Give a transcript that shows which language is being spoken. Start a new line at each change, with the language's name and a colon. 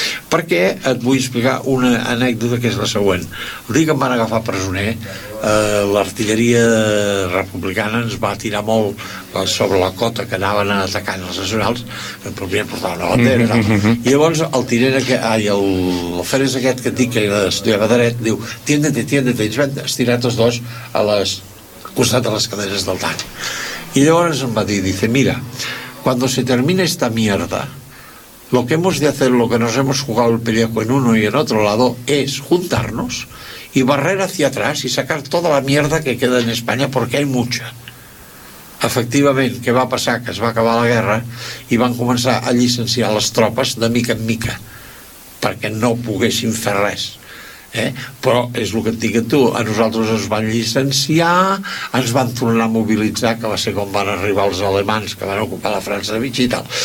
Catalan: Perquè et vull explicar una anècdota que és la següent. El dia que em van agafar presoner, l'artilleria republicana ens va tirar molt sobre la cota que anaven atacant els nacionals, que el primer portava una bandera, no? I llavors el tirer, el feres aquest que et dic, que era el senyor Badaret, diu,
Spanish: tiéndete, tiéndete,
Catalan: ells van estirar tots dos a les costat de les cadenes del tanc. I llavors em va dir,
Spanish: dice, mira, cuando se termina esta mierda, lo que hemos de hacer, lo que nos hemos jugado el pellejo en uno y en otro lado, es juntarnos y barrer hacia atrás y sacar toda la mierda que queda en España, porque hay mucha.
Catalan: Efectivament, què va passar? Que es va acabar la guerra i van començar a llicenciar les tropes de mica en mica, perquè no poguessin fer res. Però és el que et digui tu, a nosaltres ens van llicenciar, ens van tornar a mobilitzar, que va ser com van arribar els alemans que van ocupar la França de Vichy i tal.